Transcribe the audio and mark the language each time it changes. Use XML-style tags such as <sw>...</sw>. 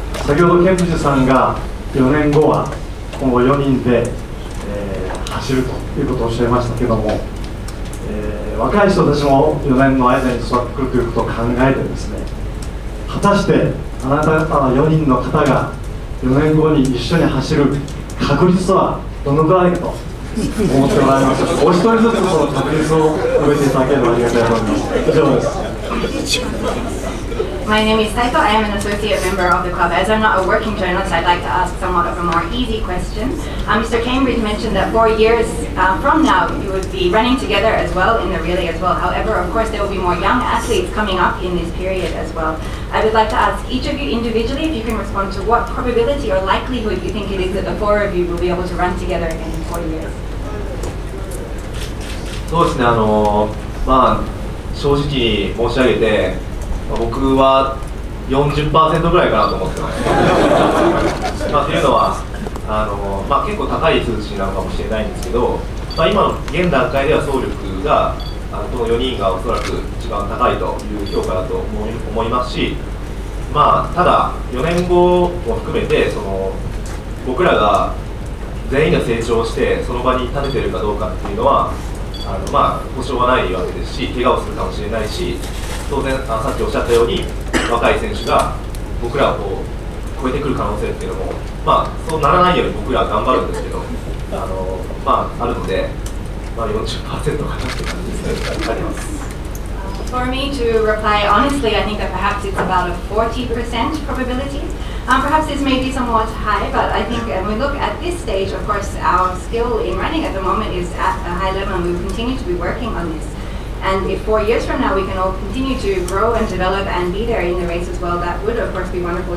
<ja>先ほどケンブリッジさんが4年後は今後4人で、走るということをおっしゃいましたけども、若い人たちも4年の間に育ってくるということを考えてですね、果たしてあなた方4人の方が4年後に一緒に走る確率とはどのくらいかと思ってもらいますか。お一人ずつその確率を述べていただければありがたいと思います。以上です。</ja> <en>My name is Saito. I am an associate member of the club. As I'm not a working journalist, I'd like to ask somewhat of a more easy question. Mr. Cambridge mentioned that 4 years from now, you would be running together as well in the relay as well. However, of course, there will be more young athletes coming up in this period as well. I would like to ask each of you individually if you can respond to what probability or likelihood you think it is that the four of you will be able to run together again in 4 years.</en> <ja>そうですね。正直申し上げて、僕は 40% ぐらいかなと思ってます。というのは結構高い数値なのかもしれないんですけど、今の現段階では走力がこの4人がおそらく一番高いという評価だと思いますし、ただ4年後も含めて僕らが全員が成長してその場に立ててるかどうかっていうのは保証はないわけですし、怪我をするかもしれないし、当然さっきおっしゃったように若い選手が僕らを超えてくる可能性っていうのも、そうならないように僕らは頑張るんですけど、あるので、40% かなって感じですね。あります。</ja> <en>For me to reply honestly, I think that perhaps it's about a 40% probability. Perhaps this may be somewhat high, but I think when we look at this stage, of course, our skill in running at the moment is at a high level, and we continue to be working on this. And if 4 years from now we can all continue to grow and develop and be there in the race as well, that would of course be wonderful.</en>